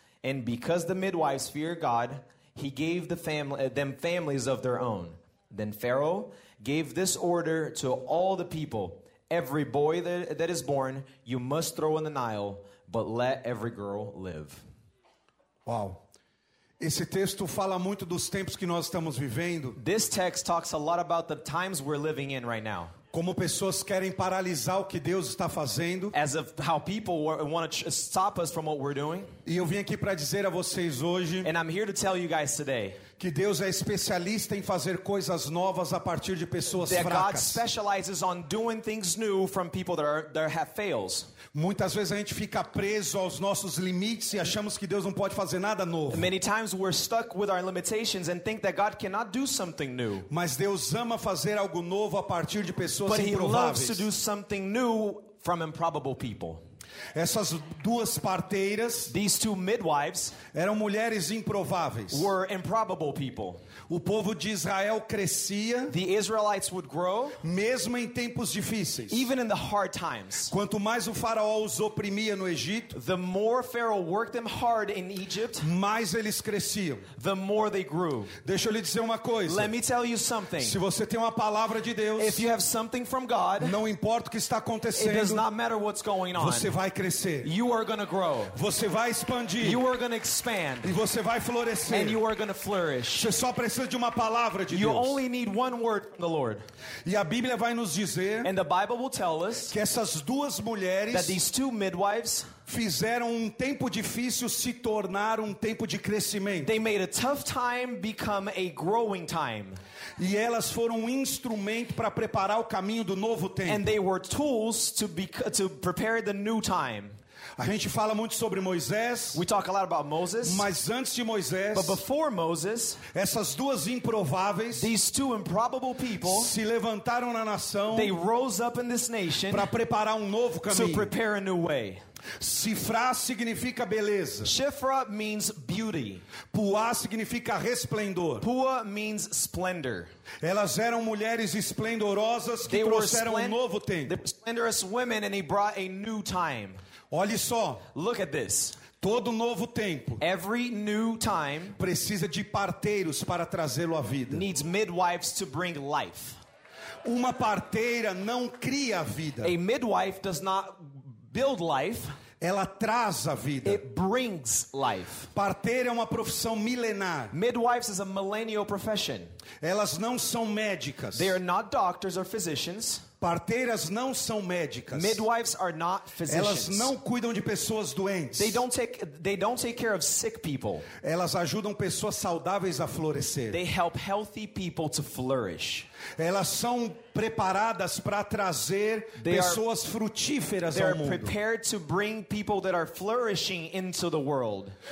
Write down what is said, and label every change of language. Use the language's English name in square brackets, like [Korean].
[English] And because the midwives feared God, he gave them families of their own. Then Pharaoh gave this order to all the people: "Every boy that is born, you must throw in the Nile, but let every girl live." Wow. [Portuguese] Esse texto fala muito dos tempos que nós estamos vivendo. [English] This text talks a lot about the times we're living in right now. [Portuguese] Como pessoas querem paralisar o que Deus está fazendo. [English] As of how people want to stop us from what we're doing. [Portuguese] E eu vim aqui para dizer a vocês hoje. [English] And I'm here to tell you guys today. [Portuguese] Que Deus é especialista em fazer coisas novas a partir de pessoas fracas. [English] That God specializes on doing things new from people that have fails. [Portuguese] Muitas vezes a gente fica preso aos nossos limites e achamos que Deus não pode fazer nada novo. [English] Many times we're stuck with our limitations and think that God cannot do something new. [Portuguese] Mas Deus ama fazer algo novo a partir de pessoas improváveis. [English] But He loves to do something new from improbable people. [Portuguese] Essas duas parteiras, [English] these two midwives, [Portuguese] eram mulheres improváveis. [English] Were improbable people. [Portuguese] O povo de Israel crescia, [English] the Israelites would grow, [Portuguese] mesmo em tempos difíceis, [English] even in the hard times. [Portuguese] Quanto mais o faraó os oprimia no Egito, [English] the more Pharaoh worked them hard in Egypt, [Portuguese] mais eles cresciam, [English] the more they grew. [Portuguese] Deixa eu lhe dizer uma coisa. [English] Let me tell you something. [Portuguese] Se você tem uma palavra de Deus, [English] if you have something from God, [Portuguese] não importa o que está acontecendo, [English] it does not matter what's going on. [Portuguese] Você vai crescer. [English] You are going to grow. [Portuguese] Você vai expandir. [English] You are going to expand. [Portuguese] E você vai florescer. [English] And you are going to flourish. [Portuguese] Você só precisa de uma palavra de Deus. [English] You only need one word from the Lord. [Portuguese] E a Bíblia vai nos dizer. [English] And the Bible will tell us. [Portuguese] Que essas duas mulheres. [English] That these two midwives. [Portuguese] Fizeram um tempo difícil se tornar um tempo de crescimento. [English] They made a tough time become a growing time. [Portuguese] E elas foram um instrumento para preparar o caminho do novo tempo. [English] And they were tools to prepare the new time. [Portuguese] A gente fala muito sobre Moisés. [English] We talk a lot about Moses. [Portuguese] Mas antes de Moisés, [English] but before Moses, [Portuguese] essas duas improváveis, [English] these two improbable people, [Portuguese] se levantaram na nação, [English] they rose up in this nation, [Portuguese] para preparar um novo caminho. [English] To prepare a new way. [Portuguese] Shifra significa beleza. [English] Shifra means beauty. [Portuguese] Puah significa resplendor. [English] Puah means splendor. [Portuguese] Elas eram mulheres esplendorosas que trouxeram um novo tempo. [English] They were splendorous women and they brought a new time. [Portuguese] Olhe só. [English] Look at this. [Portuguese] Todo novo tempo. [English] Every new time [Portuguese] precisa de parteiros para trazê-lo à vida. [English] Needs midwives to bring life. [Portuguese] Uma parteira não cria a vida. [English] A midwife does not build life. [Portuguese] Ela traz a vida. [English] It brings life. [Portuguese] Parteira é uma profissão milenar. [English] Midwives is a millennial profession. [Portuguese] Elas não são médicas. [English] They are not doctors or physicians. [Portuguese] Parteiras não são médicas. [English] Midwives are not physicians. [Portuguese] Elas não cuidam de pessoas doentes. [English] They don't take care of sick people. [Portuguese] Elas ajudam pessoas saudáveis a florescer. [English] They help healthy people to flourish. [Portuguese] Elas são preparadas para trazer pessoas frutíferas ao mundo. [English] They are prepared to bring people that are flourishing into the world.